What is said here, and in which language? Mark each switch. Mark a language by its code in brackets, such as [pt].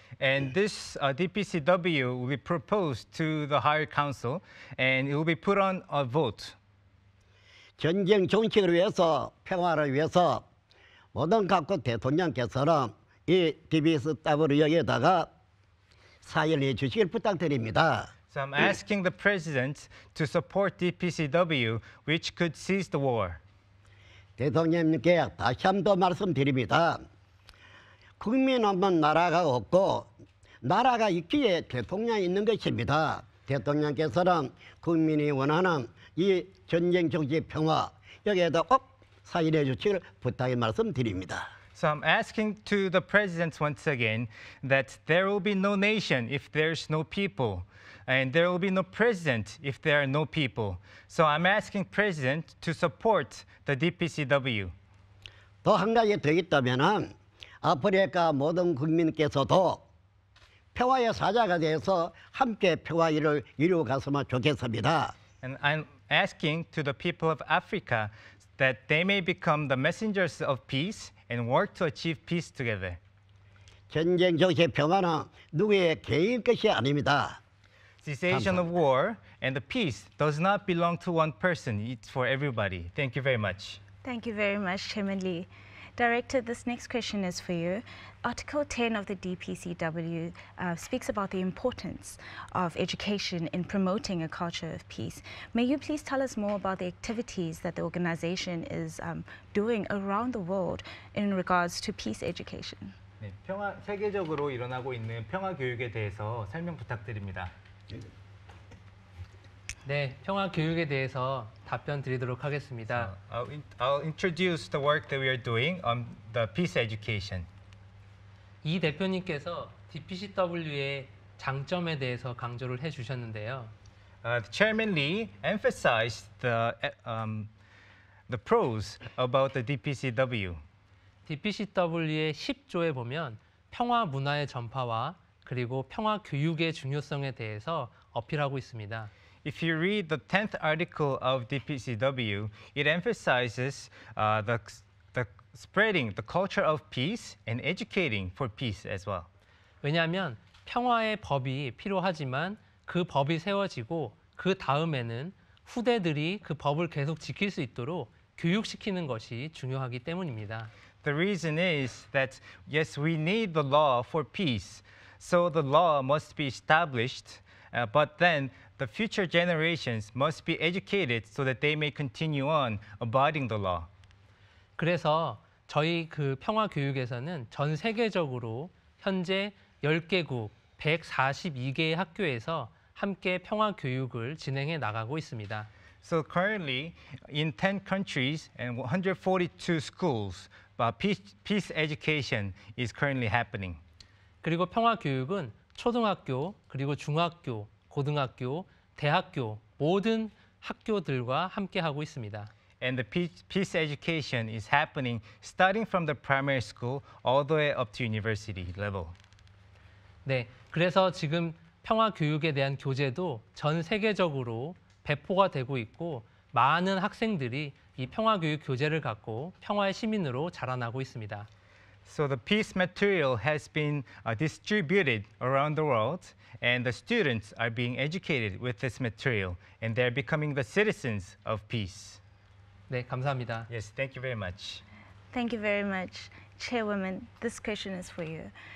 [en] And this DPCW will be proposed to the higher council and it will be put on a vote. [ko] 전쟁 종식을 위해서 평화를 위해서 모든 각국 대통령께서는 이 DPCW 여기에다가 사인해 주시길 부탁드립니다. [en] So I'm asking the president to support DPCW which could seize the war. [ko] 대통령님께 다시 한 번 말씀드립니다. 국민 없는 나라가 없고 나라가 있기에 대통령이 있는 것입니다. 대통령께서는 국민이 원하는 이 전쟁 정지 평화 여기에다 꼭 사인해 주시길 부탁의 말씀드립니다. [en] So I'm asking to the president once again that there will be no nation if there's no people. And there will be no president if there are no people. So I'm asking president to support the DPCW. [ko] 또 한 가지 더 있다면 아프리카 모든 국민께서도 평화의 사자가 되어서 함께 평화 일을 이루어 갔으면 좋겠습니다. [en] And I'm asking to the people of Africa that they may become the messengers of peace and work to achieve peace together. [ko] 전쟁 정세 평화는 누구의 개인 것이 아닙니다. [en] Cessation of war and the peace does not belong to one person. It's for everybody. Thank you very much. Thank you very much, Chairman Lee. Director, this next question is for you. Article 10 of the DPCW speaks about the importance of education in promoting a culture of peace. May you please tell us more about the activities that the organization is doing around the world in regards to peace education? [ko] 네, 평화 세계적으로 일어나고 있는 평화 교육에 대해서 설명 부탁드립니다. 네, 평화 교육에 대해서 답변 드리도록 하겠습니다. [en] So I'll introduce the work that we are doing on the peace education. [ko] 이 대표님께서 DPCW의 장점에 대해서 강조를 해 주셨는데요. [en] Chairman Lee emphasized the pros about the DPCW. [ko] DPCW의 10조에 보면 평화 문화의 전파와 그리고 평화 교육의 중요성에 대해서 어필하고 있습니다. [en] If you read the 10th article of DPCW, it emphasizes the spreading the culture of peace and educating for peace as well. [ko] 왜냐하면 평화의 법이 필요하지만 그 법이 세워지고 그 다음에는 후대들이 그 법을 계속 지킬 수 있도록 교육시키는 것이 중요하기 때문입니다. [en] The reason is that yes, we need the law for peace. So the law must be established, but then the future generations must be educated so that they may continue on abiding the law. [ko] 그래서 저희 그 평화 교육에서는 전 세계적으로 현재 10개국 142개의 학교에서 함께 평화 교육을 진행해 나가고 있습니다. [en] So currently in 10 countries and 142 schools, peace education is currently happening. [ko] 그리고 평화 교육은 초등학교, 그리고 중학교, 고등학교, 대학교 모든 학교들과 함께 하고 있습니다. [en] And the peace education is happening starting from the primary school all the way up to university level. [ko] 네. 그래서 지금 평화 교육에 대한 교재도 전 세계적으로 배포가 되고 있고 많은 학생들이 이 평화 교육 교재를 갖고 평화의 시민으로 자라나고 있습니다. [en] So the peace material has been distributed around the world and the students are being educated with this material and they're becoming the citizens of peace. [ko] 네, 감사합니다. [en] Yes, thank you very much. Thank you very much. Chairwoman, this question is for you.